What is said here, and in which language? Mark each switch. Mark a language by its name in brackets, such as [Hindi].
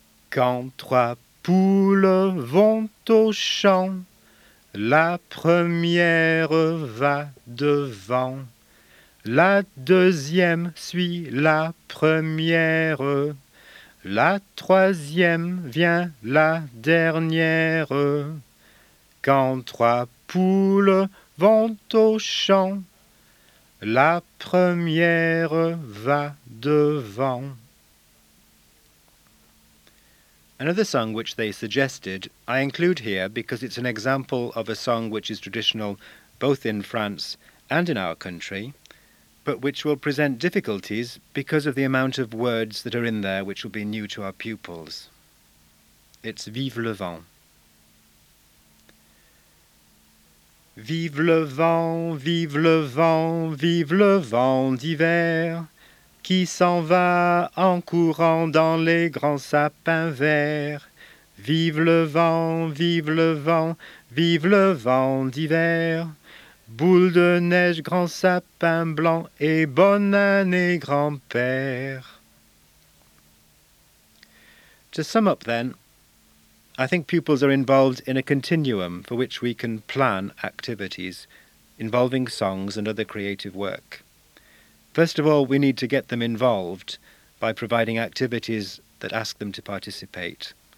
[French] Quand trois poules vont au champ, la première va devant, la deuxième suit la première, la troisième vient la dernière. Quand trois poules vont au champ, la première va devant. [English] Another song which they suggested I include here because it's an example of a song which is traditional both in France and in our country, but which will present difficulties because of the amount of words that are in there which will be new to our pupils. It's Vive le vent. [French] Vive le vent, vive le vent, vive le vent d'hiver, qui s'en va en courant dans les grands sapins verts. Vive le vent, vive le vent, vive le vent d'hiver, boule de neige, grand sapin blanc, et bonne année, grand-père. [English] To sum up then, I think pupils are involved in a continuum for which we can plan activities involving songs and other creative work. First of all, we need to get them involved by providing activities that ask them to participate.